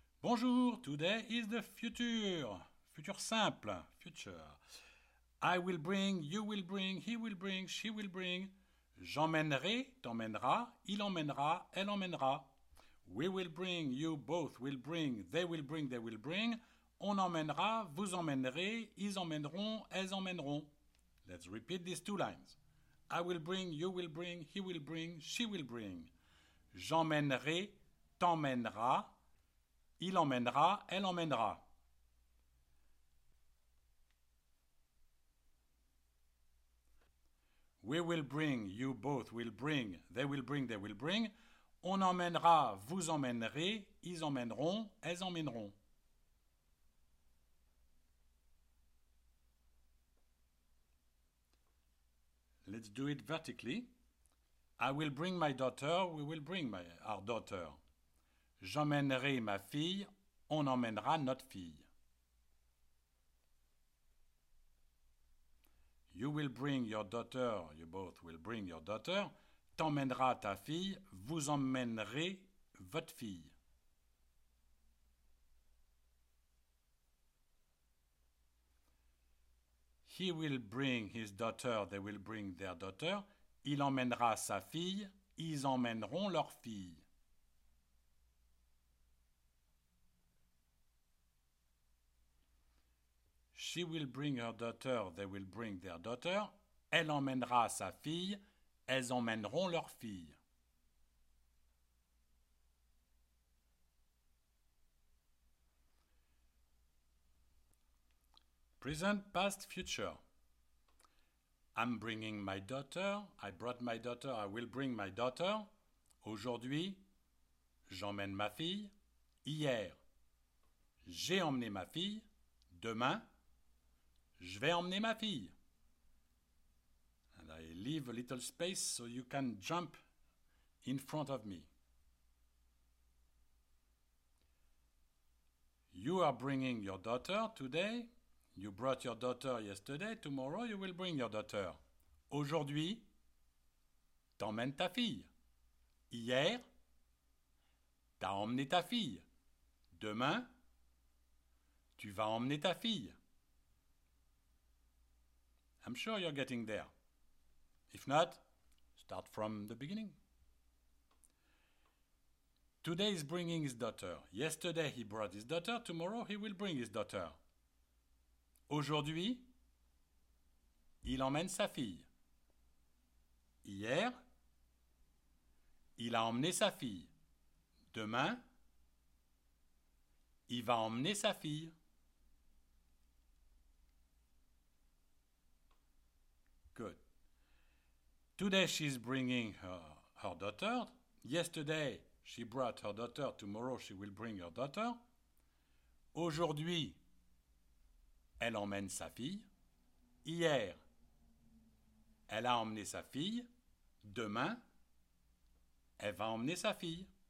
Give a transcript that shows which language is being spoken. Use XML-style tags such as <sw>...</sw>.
<en>Bonjour, today is the future. Futur simple, future. I will bring, you will bring, he will bring, she will bring.</en> <fr>J'emmènerai, t'emmèneras, il emmènera, elle emmènera.</fr> <en>We will bring, you both will bring, they will bring, they will bring.</en> <fr>On emmènera, vous emmènerez, ils emmèneront, elles emmèneront.</fr> <en>Let's repeat these two lines. I will bring, you will bring, he will bring, she will bring.</en> <fr>J'emmènerai, t'emmèneras. Il emmènera, elle emmènera.</fr> <en>We will bring, you both will bring, they will bring, they will bring.</en> <fr>On emmènera, vous emmènerez, ils emmèneront, elles emmèneront.</fr> <en>Let's do it vertically. I will bring my daughter, we will bring our daughter.</en> <fr>J'emmènerai ma fille, on emmènera notre fille.</fr> <en>You will bring your daughter, you both will bring your daughter.</en> <fr>T'emmèneras ta fille, vous emmènerez votre fille.</fr> <en>He will bring his daughter, they will bring their daughter.</en> <fr>Il emmènera sa fille, ils emmèneront leur fille.</fr> <en>She will bring her daughter, they will bring their daughter.</en> <fr>Elle emmènera sa fille, elles emmèneront leur fille.</fr> <en>Present, past, future. I'm bringing my daughter. I brought my daughter. I will bring my daughter.</en> <fr>Aujourd'hui, j'emmène ma fille. Hier, j'ai emmené ma fille. Demain, je vais emmener ma fille.</fr> <en>And I leave a little space so you can jump in front of me. You are bringing your daughter today. You brought your daughter yesterday. Tomorrow, you will bring your daughter.</en> <fr>Aujourd'hui, t'emmènes ta fille. Hier, t'as emmené ta fille. Demain, tu vas emmener ta fille.</fr> <en>I'm sure you're getting there. If not, start from the beginning. Today is bringing his daughter. Yesterday he brought his daughter. Tomorrow he will bring his daughter.</en> <fr>Aujourd'hui, il emmène sa fille. Hier, il a emmené sa fille. Demain, il va emmener sa fille.</fr> <en>Good. Today she's bringing her daughter. Yesterday she brought her daughter. Tomorrow she will bring her daughter.</en> <fr>Aujourd'hui, elle emmène sa fille. Hier, elle a emmené sa fille. Demain, elle va emmener sa fille.</fr>